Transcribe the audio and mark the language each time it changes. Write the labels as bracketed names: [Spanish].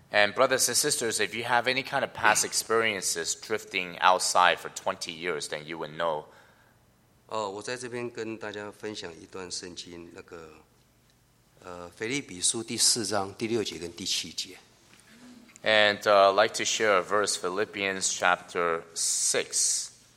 [English] And brothers and sisters, if you have any kind of past experiences drifting outside for 20 years, then you would know. [Chinese] 我在这边跟大家分享一段圣经那个腓立比书第四章第六节跟第七节。 [English] And I'd like to share a verse, Philippians chapter 6.